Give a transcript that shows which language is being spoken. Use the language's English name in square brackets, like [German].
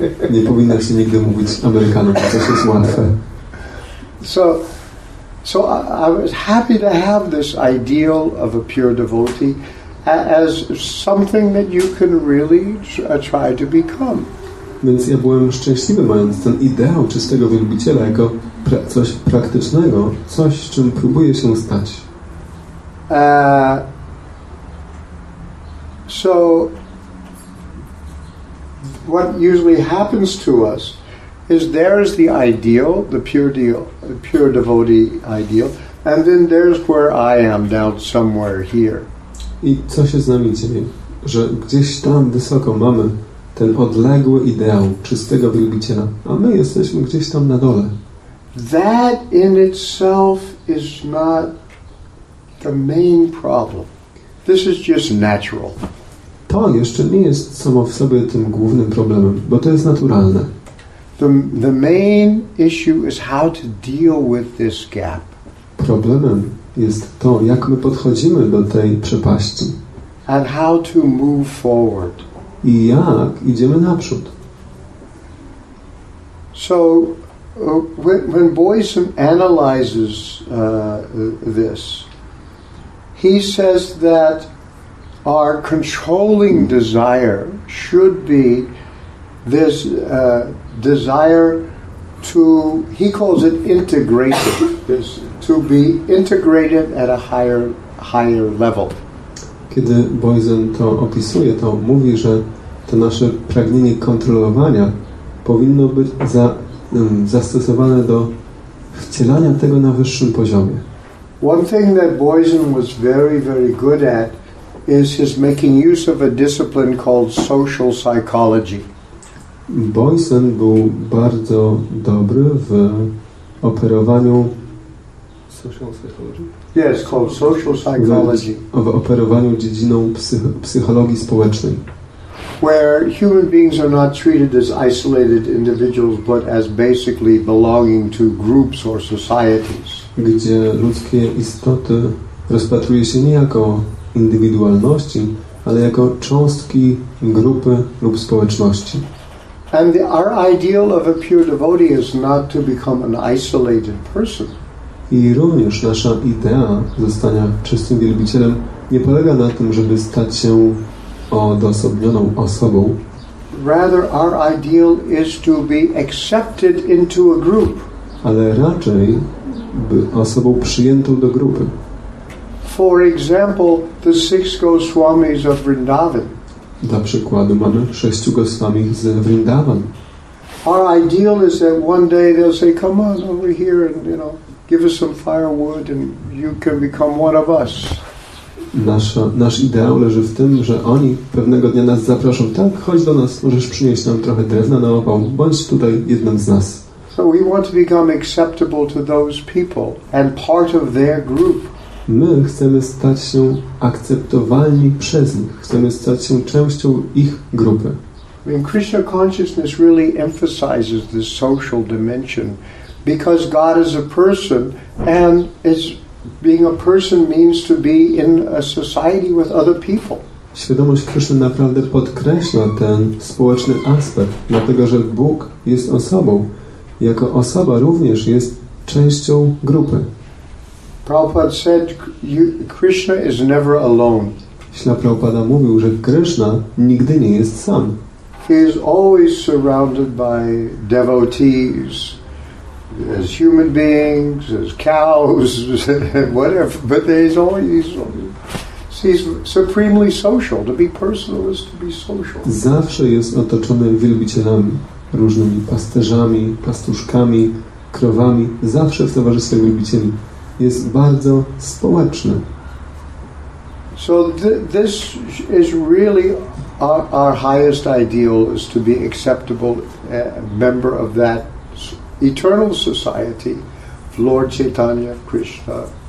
[Polish] Nie powinna się nigdy mówić Amerykanom, że to jest łatwe. [English] So I was happy to have this ideal of a pure devotee as something that you can really try to become. [Polish] Więc ja byłem szczęśliwy, mając ten ideał czystego wielbiciela jako coś praktycznego, coś, czym próbuję się stać. [English] So what usually happens to us is there's the ideal, the pure devotee ideal, and then there's where I am down somewhere here. [Polish] I co się z nami dzieje? Że gdzieś tam wysoko mamy ten odległy ideał czystego wielbiciela, a my jesteśmy gdzieś tam na dole. [English] That in itself is not the main problem. This is just natural. [Polish] To jeszcze nie jest samo w sobie tym głównym problemem, bo to jest naturalne. [English] The main issue is how to deal with this gap. [Polish] Problemem jest to, jak my podchodzimy do tej przepaści. [English] And how to move forward. [Polish] I jak idziemy naprzód. [English] So when Boyson analyzes this, he says that our controlling desire should be this desire to, he calls it integrative, this, to be integrated at a higher level. [Polish] Kiedy Boyson to opisuje, to mówi, że to nasze pragnienie kontrolowania powinno być zastosowane do wcielania tego na wyższym poziomie. [English] One thing that Boyson was very, very good at is his making use of a discipline called social psychology. [Polish] Boyson był bardzo dobry w operowaniu [English] social psychology. Yes, called social psychology. [Polish] W operowaniu dziedziną psychologii społecznej. [English] Where human beings are not treated as isolated individuals, but as basically belonging to groups or societies. [Polish] Gdzie ludzkie istoty rozpatruje się nie jako indywidualności, ale jako cząstki grupy lub społeczności. [English] And our ideal of a pure devotee is not to become an isolated person. [Polish] I również nasza idea zostania czystym wielbicielem nie polega na tym, żeby stać się odosobnioną osobą. [English] Rather, our ideal is to be accepted into a group. [Polish] Ale raczej by osobą przyjętą do grupy. [English] For example, the six Goswamis of Vrindavan. [Polish] Dla przykładu mamy sześciu Goswami z Vrindavan. [English] Our ideal is that one day they'll say, come on over here and, you know, give us some firewood and you can become one of us. [Polish] Nasz ideał leży w tym, że oni pewnego dnia nas zaproszą. Tak, chodź do nas, możesz przynieść nam trochę drewna na opał. Bądź tutaj jednym z nas. [English] So we want to become acceptable to those people and part of their group. [Polish] My chcemy stać się akceptowalni przez nich. Chcemy stać się częścią ich grupy. [English] I mean, Krishna consciousness really emphasizes the social dimension because God is a person and is being a person means to be in a society with other people. [Polish] Świadomość Krishna naprawdę podkreśla ten społeczny aspekt, dlatego że Bóg jest osobą. Jako osoba również jest częścią grupy. [English] Prabhupada said, Krishna is never alone. [Polish] Śla Prabhupada mówił, że Krishna nigdy nie jest sam. [English] He is always surrounded by devotees, as human beings, as cows, whatever. But he's supremely social. To be personal is to be social. [Polish] Zawsze jest otoczony wielbicielami, różnymi pasterzami, pastuszkami, krowami. Zawsze w towarzystwie wielbicieli. Jest bardzo społeczny. [English] So this is really our highest ideal, is to be acceptable member of that eternal society, Lord Chaitanya Krishna.